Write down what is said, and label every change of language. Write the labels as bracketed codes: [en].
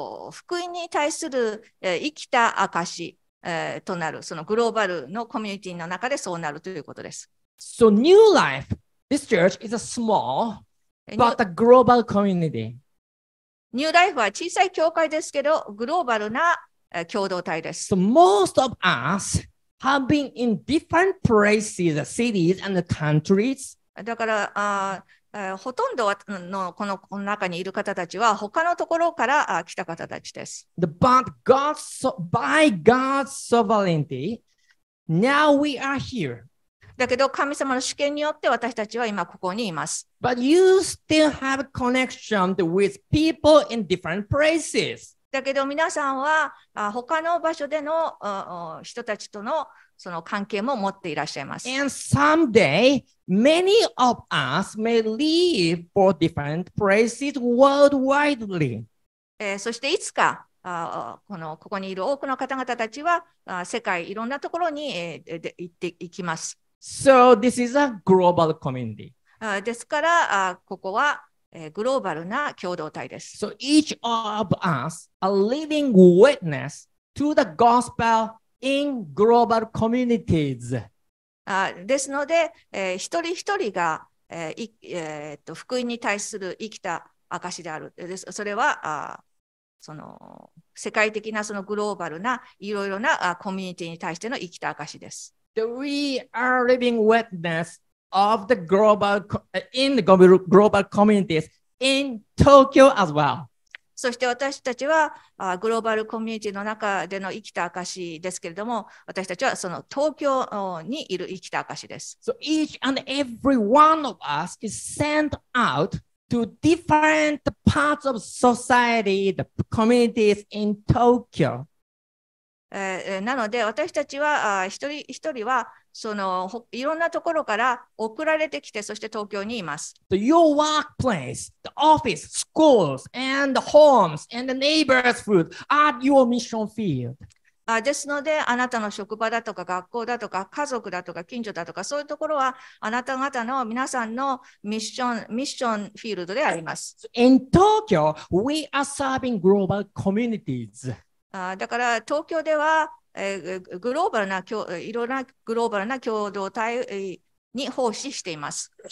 [ja] 福音に対する生きた証となるそのグローバルのコミュニティの中でそうなるということです。 [en] So new life, this church is a small but a global community. [ja] ニューライフは小さい教会ですけど、グローバルな共同体です。 [en] So most of us have been in different places, cities and countries. [ja] だから、ほとんどのこの中にいる方たちは、他のところから来た方たちです。 [en] But God's, by God's sovereignty, now we are here. [ja] だけど神様の主権によって私たちは今ここにいます。 [en] But you still have a connection with people in different places. [ja] だけど皆さんは他の場所での人たちとのその関係も持っていらっしゃいます。 [en] And someday, many of us may leave for different places worldwidely. [ja] そしていつか、このここにいる多くの方々たちは世界いろんなところに行っていきます。 [en] So this is a global community. [ja] ですから、ここは、グローバルな共同体です。 [en] So each of us a living witness to the gospel in global communities. [ja] ですので、一人一人が、福音に対する生きた証である。です。それは、その世界的なそのグローバルないろいろなコミュニティに対しての生きた証です。 [en] We are living witness of the global in the global communities in Tokyo as well. [ja] そして私たちはグローバルコミュニティの中での生きた証ですけれども、私たちはその東京にいる生きた証です。 [en] So each and every one of us is sent out to different parts of society, the communities in Tokyo. [ja] なので私たちは一人一人はそのいろんなところから送られてきてそして東京にいます。 [en] Your workplace, the office, schools, and the homes, and the neighbors' food are your mission field. [ja] ですのであなたの職場だとか学校だとか家族だとか近所だとかそういうところはあなた方の皆さんのミッションフィールドであります。 [en] In Tokyo, we are serving global communities. [ja] だから東京では、グローバルないろんなグローバルな共同体に奉仕しています。